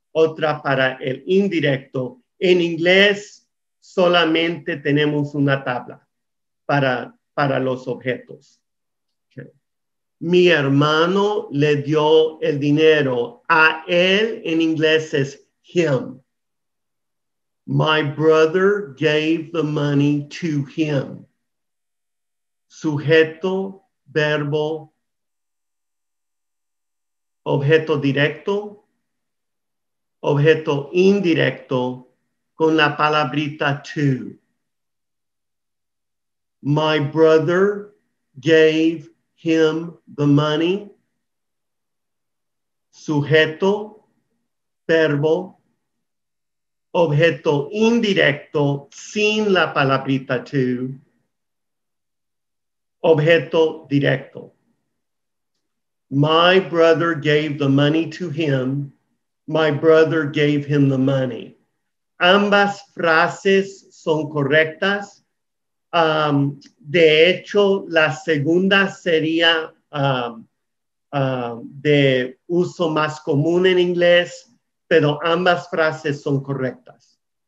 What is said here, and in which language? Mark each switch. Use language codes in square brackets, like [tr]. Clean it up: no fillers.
[es] otra para el indirecto. En inglés solamente tenemos una tabla para los objetos. Okay. Mi hermano le dio el dinero. A él en inglés es him. [en] My brother gave the money to him. [es] Sujeto, verbo, objeto directo, objeto indirecto, con la palabrita to. [en] My brother gave him the money. [es] Sujeto, verbo, objeto indirecto, sin la palabrita to. Objeto directo. [en] My brother gave the money to him. My brother gave him the money. [es] Ambas frases son correctas. De hecho, la segunda sería de uso más común en inglés, pero ambas frases son correctas.